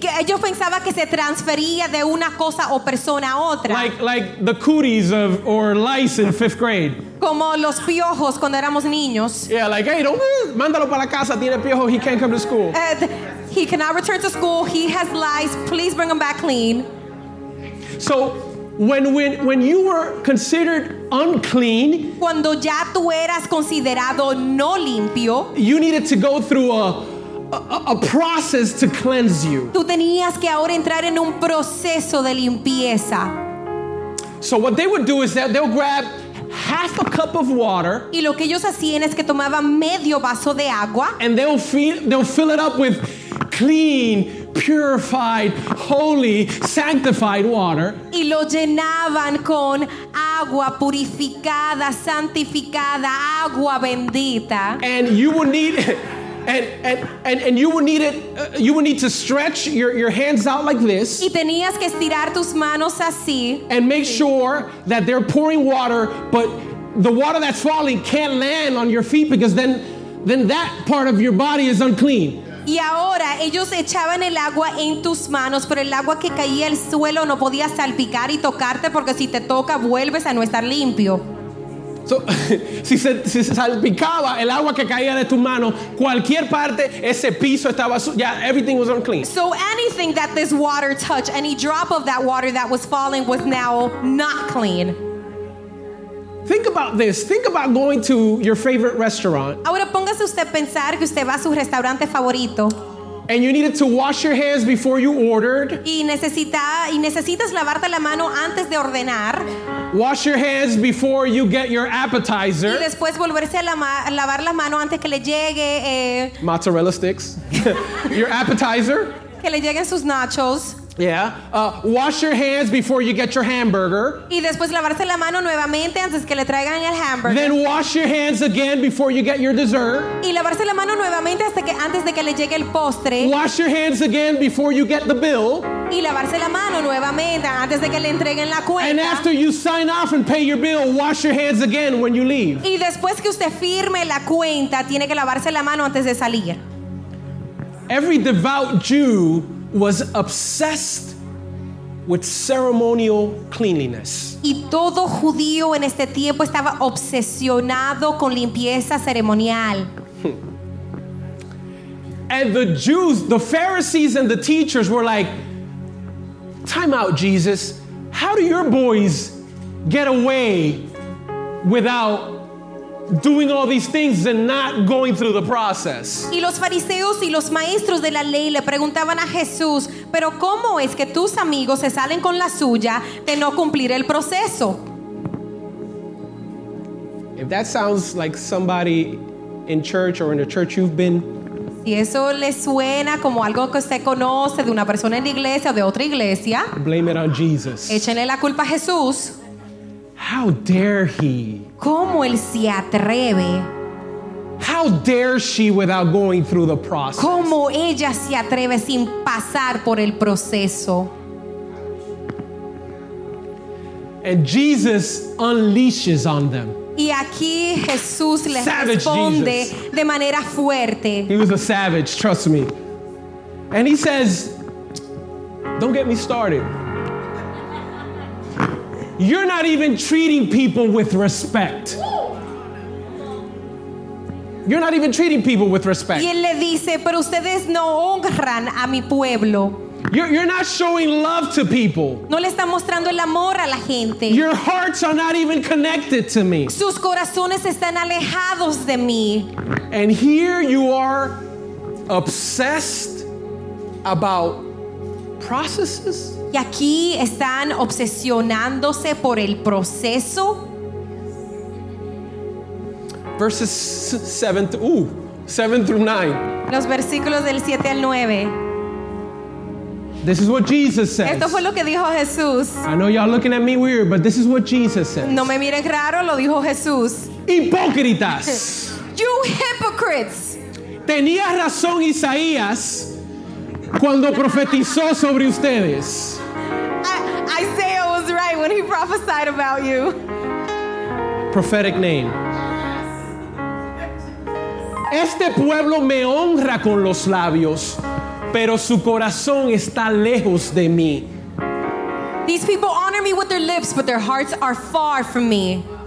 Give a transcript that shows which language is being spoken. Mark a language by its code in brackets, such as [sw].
[es] Que ellos pensaban que se transfería de una cosa o persona a otra. [en] Like the cooties of or lice in fifth grade. [es] Como los piojos cuando éramos niños. [en] Yeah, like hey, [es] mándalo para la casa. Tiene piojos. [en] He can't come to school. He cannot return to school. He has lice. Please bring him back clean. So. When you were considered unclean, [es] cuando ya tú eras considerado no limpio, [en] you needed to go through a process to cleanse you. [es] Tú tenías que ahora entrar en un proceso de limpieza. [en] So what they would do is that they'll grab half a cup of water, [es] y lo que ellos hacían es que tomaban medio vaso de agua, [en] and they'll fill it up with clean, purified, holy, sanctified water. [es] Y lo llenaban con agua purificada, santificada, agua bendita. [en] And you will need and you will need it. You will need to stretch your hands out like this. [es] Y tenías que estirar tus manos así. [en] And make sure that they're pouring water, but the water that's falling can't land on your feet because then that part of your body is unclean. [es] Y ahora ellos echaban el agua en tus manos, pero el agua que caía al suelo no podía salpicar y tocarte porque si te toca vuelves a no estar limpio. So, si se salpicaba el agua que caía de tu mano, cualquier parte, ese piso estaba sucio. [en] Yeah, everything was unclean. So anything that this water touched, any drop of that water that was falling was now not clean. Think about this. Think about going to your favorite restaurant. [es] Ahora póngase usted a pensar que usted va a su restaurante favorito. [en] And you needed to wash your hands before you ordered. [es] Y necesitas lavarte la mano antes de ordenar. [en] Wash your hands before you get your appetizer. [es] Y después volverse a lavar la mano antes que le llegue [en] mozzarella sticks. Your appetizer. [es] Que le lleguen sus nachos. [en] Yeah. Wash your hands before you get your hamburger. [es] Y después lavarse la mano nuevamente antes que le traigan el hamburger. [en] Then wash your hands again before you get your dessert. [es] Y lavarse la mano nuevamente antes de que le llegue el postre. [en] Wash your hands again before you get the bill. [es] Y lavarse la mano nuevamente antes de que le entreguen la cuenta. [en] And after you sign off and pay your bill, wash your hands again when you leave. [es] Y después que usted firme la cuenta, tiene que lavarse la mano antes de salir. [en] Every devout Jew was obsessed with ceremonial cleanliness. [es] Y todo judío en este tiempo estaba obsesionado con limpieza ceremonial. [en] And the Jews, the Pharisees and the teachers were like, "Time out, Jesus. How do your boys get away without doing all these things and not going through the process?" [es] Y los fariseos y los maestros de la ley le preguntaban a Jesús, "¿Pero cómo es que tus amigos se salen con la suya de no cumplir el proceso?" [en] If that sounds like somebody in church or in a church you've been, [es] si eso le suena como algo que usted conoce de una persona en la iglesia o de otra iglesia, [en] blame it on Jesus. [es] Échenle la culpa a Jesús. [en] How dare he? [es] ¿Cómo él se atreve? [en] How dare she without going through the process? [es] ¿Cómo ella se atreve sin pasar por el proceso? [en] And Jesus unleashes on them. [es] Y aquí Jesús les responde de manera fuerte. [en] He was a savage, trust me. And he says, "Don't get me started. You're not even treating people with respect. You're not even treating people with respect." [es] Y él le dice, "Pero ustedes no honran a mi pueblo. [en] You're not showing love to people. [es] No le están mostrando el amor a la gente. [en] Your hearts are not even connected to me. [es] Sus corazones están alejados de mí." [en] And here you are obsessed about processes. [es] Y aquí están obsesionándose por el proceso. [en] Verses 7 through 9. [es] Los versículos del 7 al 9. [en] This is what Jesus says. [es] Esto fue lo que dijo Jesús. [en] I know y'all looking at me weird, but this is what Jesus says. [es] No me miren raro, lo dijo Jesús. Hipócritas. [en] You hypocrites. [es] Tenía razón Isaías cuando profetizó sobre ustedes. [en] Isaiah was right when he prophesied about you. Prophetic name. [es] Este pueblo me honra con los labios, pero su corazón está lejos de mí. [en] These people honor me with their lips, but their hearts are far from me.